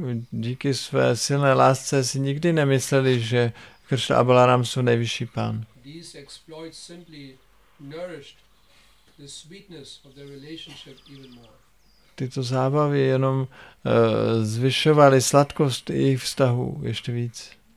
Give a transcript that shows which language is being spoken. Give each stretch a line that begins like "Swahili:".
Czech: Díky své silné lásce si nikdy nemysleli, že Krishna a Balaram jsou nejvyšší pán.
English: These exploits simply nourished the sweetness of their relationship even more.
Czech: Tyto zábavy jenom zvyšovaly sladkost jejich vztahu ještě víc.